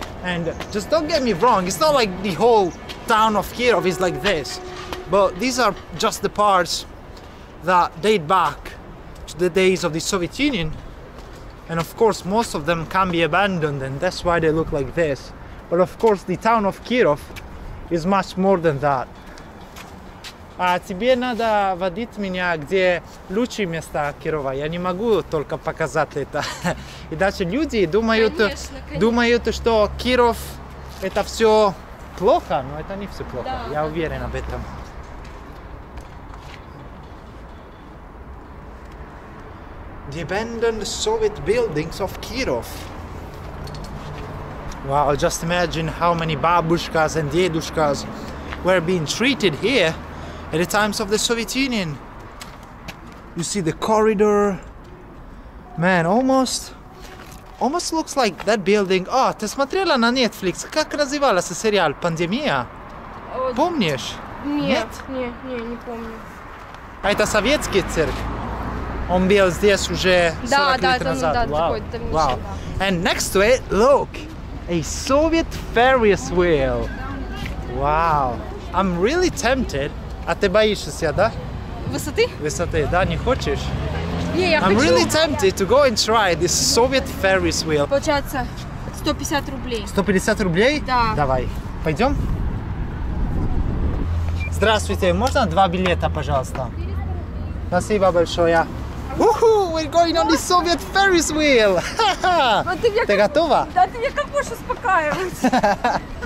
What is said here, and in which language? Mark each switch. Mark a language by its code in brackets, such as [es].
[en] And just don't get me wrong, it's not like the whole town of Kirov is like this. But these are just the parts that date back to the days of the Soviet Union. And of course, most of them can be abandoned, and that's why they look like this. But of course, the town of Kirov is much more than that. [ru] А тебе надо водить меня, где лучшие места Кирова. Я не могу только показать это. И дальше люди думают, конечно, конечно. Думают, что Киров это все плохо, но это не все плохо. Да, я да, уверен да. об этом. [en] The abandoned Soviet buildings of Kirov. Wow, just imagine how many babushkas and dedushkas were being treated here at the times of the Soviet Union. You see the corridor. Man, almost looks like that building. [ru] Oh, ты смотрела на Netflix? Как назывался сериал? Пандемия? Помнишь? Нет, не помню. А это советский цирк? Он был здесь уже 40 лет назад. [en] Wow. And next to it, look, a Soviet Ferris wheel. Wow. I'm really tempted. [ru] А ты боишься, да? Высоты? Высоты, да, не хочешь? Не, я хочу. [en] I'm really tempted to go and try this Soviet Ferris wheel. [ru] Получается 150 рублей. 150 рублей? Да. Давай, пойдем. Здравствуйте, можно 2 билета, пожалуйста? Спасибо большое. [en] Уху, we're going on the Soviet Ferris wheel. [ru] Ты готова? Да, ты меня как можешь успокаивать.